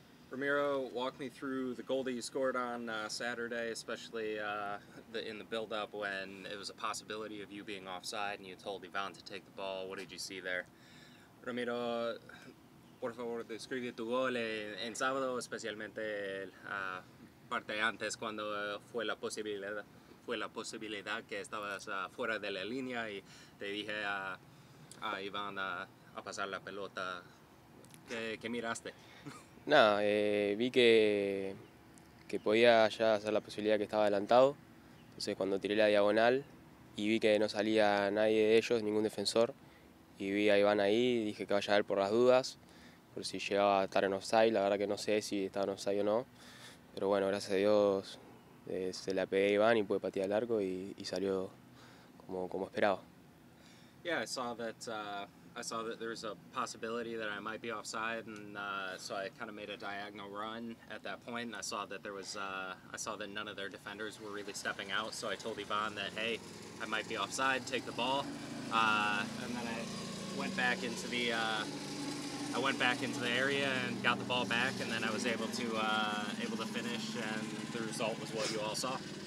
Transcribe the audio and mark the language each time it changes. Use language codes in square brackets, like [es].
[en] Ramiro, walk me through the goal that you scored on Saturday, especially in the build-up when it was a possibility of you being offside and you told Ivan to take the ball. What did you see there? [es] Ramiro, por favor, describe tu gol en sábado, especialmente la parte antes cuando fue la posibilidad que estabas fuera de la línea y te dije a Ivan a pasar la pelota. ¿Qué miraste? Nada, vi que podía ya hacer la posibilidad que estaba adelantado. Entonces cuando tiré la diagonal y vi que no salía nadie de ellos, ningún defensor, y vi a Iván ahí, dije que vaya a ver por las dudas, por si llegaba a estar en offside. La verdad que no sé si estaba en offside o no. Pero bueno, gracias a Dios se la pegué a Iván y pude patear el arco y salió como esperaba. [en] Yeah, I saw that there was a possibility that I might be offside, and so I kind of made a diagonal run at that point, and I saw that none of their defenders were really stepping out, so I told Ivan that, hey, I might be offside, take the ball, and then I went back into the area and got the ball back, and then I was able to finish, and the result was what you all saw.